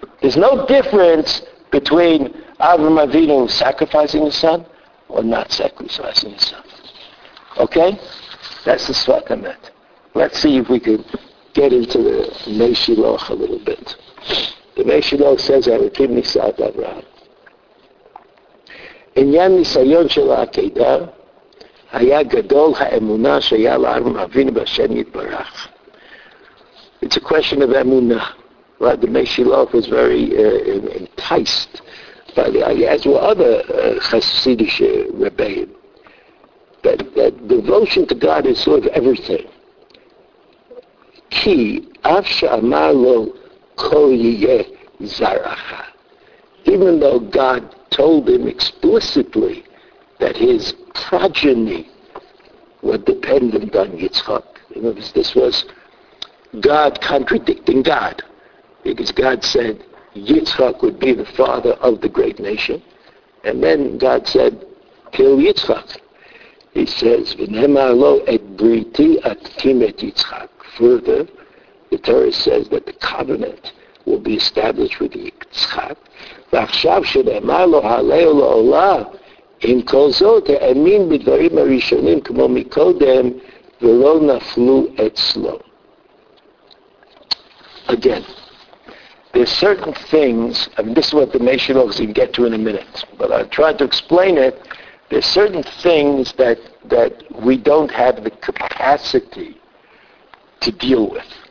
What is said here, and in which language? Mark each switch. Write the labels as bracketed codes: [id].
[en] There's no difference between Avraham Avinu sacrificing his son or not sacrificing his son. Okay? That's the Sfat Emet. Let's see if we can get into the Meshiloch a little bit. The Meshiloch says, Arikim Nisad Avraham. [he] עניין ניסיון של העקידה היה גדול האמונה שהיה לאברהם אבינו בשם יתברך. [en] It's a question of אמונה. Right? The Meshiloch was very enticed by the ideas of other Hasidic rebbeim. That devotion to God is sort of everything. [he] כי אף שאמר לו כל יהיה זרעך. [en] Even though God told him explicitly that his progeny were dependent on Yitzchak. In other words, this was God contradicting God, because God said Yitzchak would be the father of the great nation, and then God said, kill Yitzchak. He says, [he] V'nehemar lo et briti atkim et Yitzchak. [en] Further, the Torah says that the covenant will be established with Yitzchak. [he] ועכשיו שנאמר לו הלאו לעולה, אם כל זאת האמין בדברים הראשונים כמו מקודם, ולא נפלו אצלו. [en] Again, there are certain things, I mean, this is what the Meshiloch is going to get to in a minute, but I'll try to explain it. There are certain things that we don't have the capacity to deal with.